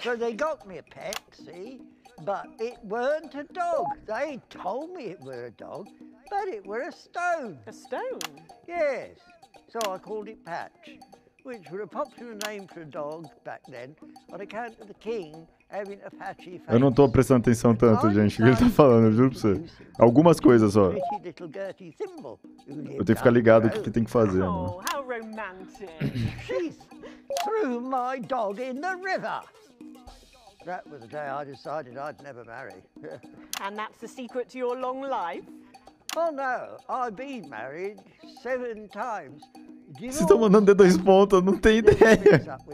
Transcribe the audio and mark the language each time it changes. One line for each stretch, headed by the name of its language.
English: So they got me a pet, see? But it weren't a dog. They told me it were a dog, but it were a stone. A stone? Yes. So I called it Patch, which were a popular name for a dog back then, on account of the king having a patchy face.
Portuguese: Eu não tô prestando atenção tanto, gente, o que ele tá falando, eu juro pra você. Algumas coisas só. Eu tenho que ficar ligado o que tem que fazer, né?
English: Oh, how romantic. She threw my dog in the river. That was the day I decided I'd never marry. And that's the secret to your long life? Oh no, I've been married 7 times.
Portuguese: Vocês estão mandando dois pontos, não tem ideia.